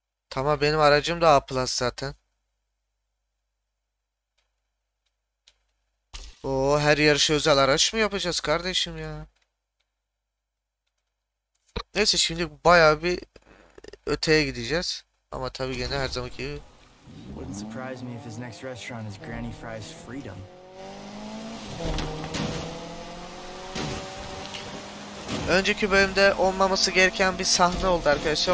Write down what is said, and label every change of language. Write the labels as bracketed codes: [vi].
[tr] Tamam, benim aracım da A+ zaten. O her yarışa özel araç mı yapacağız kardeşim ya? Neyse, şimdi baya bir öteye gideceğiz. Ama tabii gene her zamanki gibi. [en] Wouldn't surprise me if his next restaurant is Granny Fry's Freedom. [tr] Önceki bölümde olmaması gereken bir sahne oldu arkadaşlar.